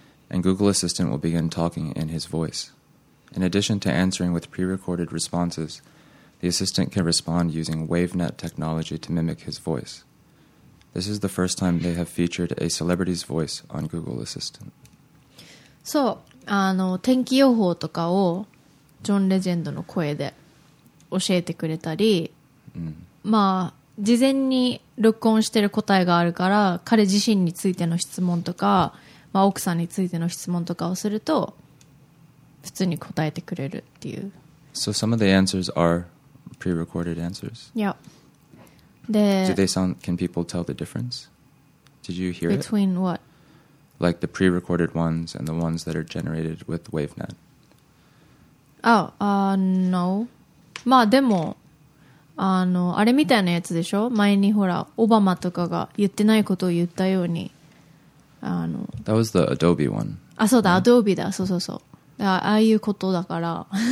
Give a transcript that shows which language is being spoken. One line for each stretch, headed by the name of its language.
English: And Google Assistant will begin talking in his voice. In addition to answering with pre-recorded responses, the assistant can respond using WaveNet technology to mimic his voice. This is the first time they have featured a celebrity's voice on Google Assistant.
Japanese: そう、天気予報とかをジョン・レジェンドの声で教えてくれたり、まあ事前に録音してる答えがあるから、彼自身についての質問とか、まあ奥さんについての質問とかをすると、普通に答えてくれるっていう。
English: So some of the answers are pre-recorded answers. Yeah. Can people tell the difference? Did you hear between it? What? Like the pre-recorded ones and the ones that are generated with WaveNet. Oh, no.
Japanese: まあでも、あれみたいなやつでしょ？前にほら、オバマとかが言ってないことを言ったように。
English: That was the Adobe one.
Japanese: あ、そうだ、Adobe だ。そうそうそう。ああいうことだから。